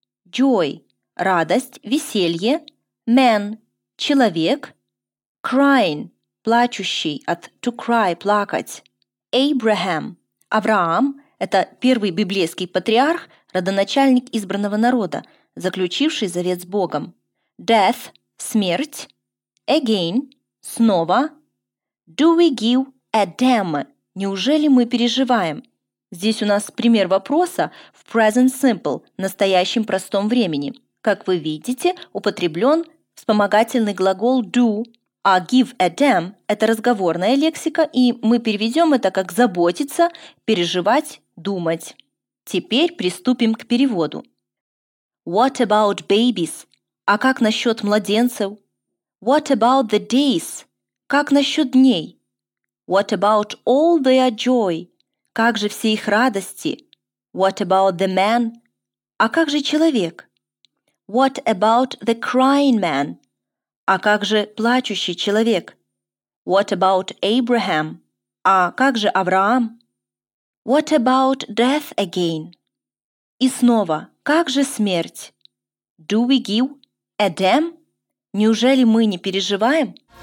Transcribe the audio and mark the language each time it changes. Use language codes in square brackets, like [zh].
[ru] Joy – радость, веселье. Man – человек. Crying – плачущий, от to cry – плакать. Abraham – Авраам – это первый библейский патриарх, родоначальник избранного народа, заключивший завет с Богом. Death – смерть. [en] Again – снова. Do we give a damn? [ru] Неужели мы переживаем? Здесь у нас пример вопроса в present simple, настоящем простом времени. Как вы видите, употреблен вспомогательный глагол do, а give a damn – это разговорная лексика, и мы переведем это как заботиться, переживать, думать. Теперь приступим к переводу. [en] What about babies? [ru] А как насчет младенцев? [en] What about the days? [ru] Как насчет дней? [en] What about all their joy? [ru] Как же все их радости? [en] What about the man? [ru] А как же человек? [en] What about the crying man? [ru] А как же плачущий человек? [en] What about Abraham? [ru] А как же Авраам? [en] What about death again? [ru] И снова, как же смерть? [en] Do we give a damn? [ru] Неужели мы не переживаем?